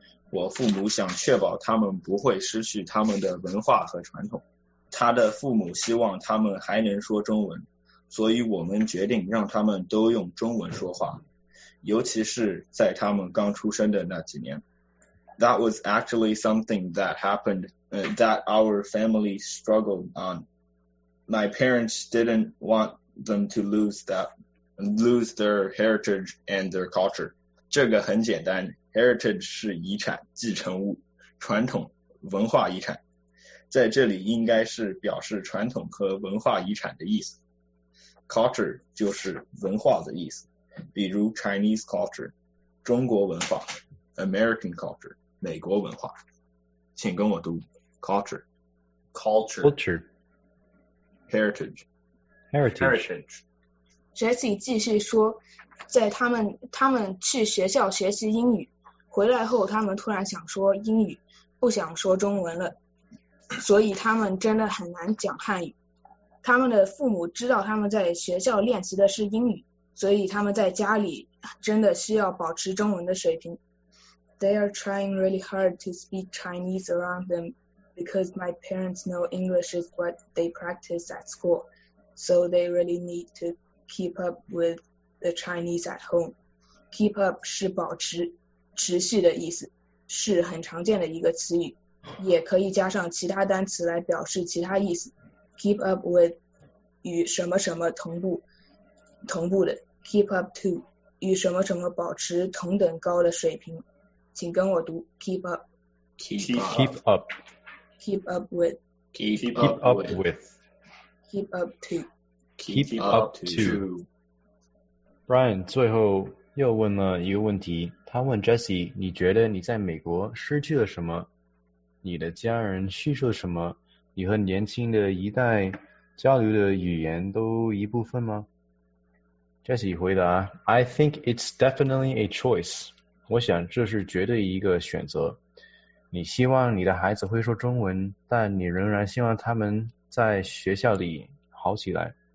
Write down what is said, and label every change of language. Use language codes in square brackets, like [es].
[zh] 我父母想确保他们不会失去他们的文化和传统，他的父母希望他们还能说中文，所以我们决定让他们都用中文说话，尤其是在他们刚出生的那几年。 [en] That was actually something that happened、that our family struggled on. My parents didn't want them to lose their heritage and their culture. [zh] 这个很简单，Heritage 是遗产、继承物、传统、文化遗产，在这里应该是表示传统和文化遗产的意思。 Culture 就是文化的意思，比如 [en] Chinese culture [zh] 中国文化， [en] American culture [zh] 美国文化。请跟我读 culture， [en] culture， culture， heritage， heritage， heritage。 [zh] Jessie 继续说，在他们去学校学习英语，回来后他们突然想说英语，不想说中文了，所以他们真的很难讲汉语。他们的父母知道他们在学校练习的是英语，所以他们在家里真的需要保持中文的水平。 [en] They are trying really hard to speak Chinese around them because my parents know English is what they practice at school, so they really need to keep up with the Chinese at home. [zh] Keep up 是保持持续的意思，是很常见的一个词语，也可以加上其他单词来表示其他意思。 [en] Keep up with [zh] 与什么什么同步的 ， [en] keep up to [zh] 与什么什么保持同等高的水平。请跟我读 ， [en] keep up。 Keep up。 Keep up with。 Keep up with。 Keep up to。 Keep up to。 [zh] Brian 最后又问了一个问题。他问 Jessie， 你觉得你在美国失去了什么？你的家人叙述了什么？你和年轻的一代交流的语言都一部分吗？ [en] Jessie [zh] 回答， [en] I think it's definitely a choice. [zh] 我想这是绝对一个选择。你希望你的孩子会说中文，但你仍然希望他们在学校里好起来。